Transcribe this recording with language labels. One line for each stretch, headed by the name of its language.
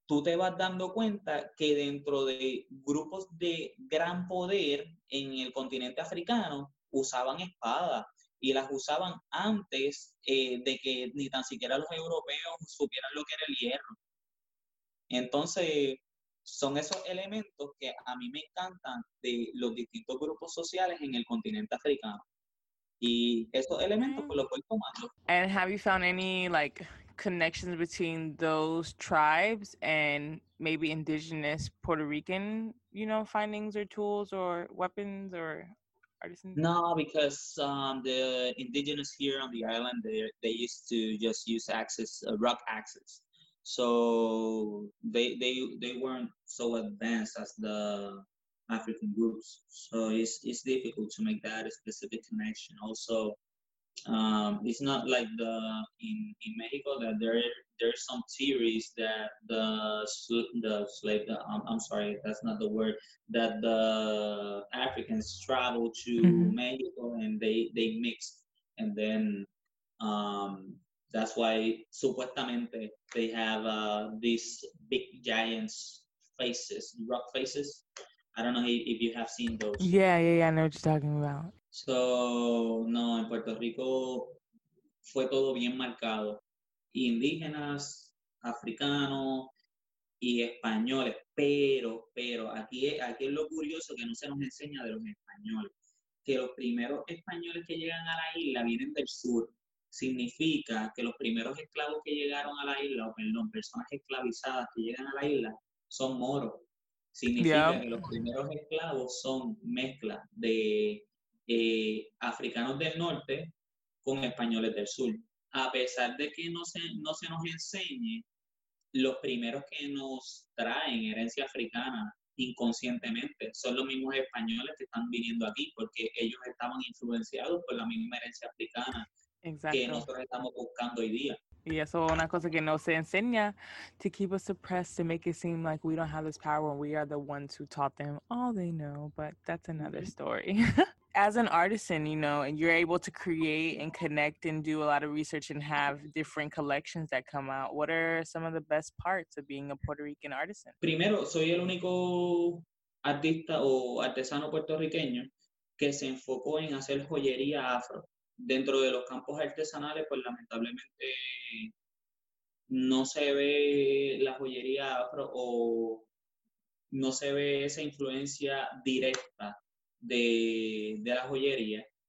Spanish: Tú te vas dando cuenta que dentro de grupos de gran poder en el continente africano usaban espadas, y las usaban antes de que ni tan siquiera los europeos supieran lo que era el hierro. Entonces, son esos elementos que a mí me encantan de los distintos grupos sociales en el continente africano. Y esos elementos, pues, los voy tomando.
English: And have you found any, like, connections between those tribes and maybe indigenous Puerto Rican, you know, findings or tools or weapons or artisan? No, because the indigenous here on the island, they used to just use axes, rock axes. So they weren't so advanced as the African groups. So it's difficult to make that a specific connection. Also, it's not like the in Mexico that there's some theories that the slave, I'm sorry, that's not the word, that the Africans traveled to Mexico and they mixed, and then that's why supuestamente they have these big giants faces, rock faces. I don't know if you have seen those. Yeah, I know what you're talking about.
Spanish: So, no, en Puerto Rico fue todo bien marcado. Indígenas, africanos y españoles. Pero aquí es lo curioso que no se nos enseña de los españoles. Que los primeros españoles que llegan a la isla vienen del sur. Significa que los primeros esclavos que llegaron a la isla, o perdón, personas esclavizadas que llegan a la isla, son moros. Significa que los primeros esclavos son mezclas de africanos del norte con españoles del sur. A pesar de que no se nos enseñe, los primeros que nos traen herencia africana inconscientemente son los mismos españoles que están viniendo aquí, porque ellos estaban influenciados por la misma herencia africana.
English: Exactly.
Spanish: Que nosotros estamos buscando hoy día. Y eso es una cosa que no se enseña,
English: to keep us suppressed, to make it seem like we don't have this power when we are the ones who taught them all they know, but that's another story. As an artisan, you know, and you're able to create and connect and do a lot of research and have different collections that come out, what are some of the best parts of being a Puerto Rican artisan?
Spanish: Primero, soy el único artista o artesano puertorriqueño que se enfocó en hacer joyería afro. Dentro de los campos artesanales, pues lamentablemente no se ve la joyería afro, o no se ve esa influencia directa de la joyería.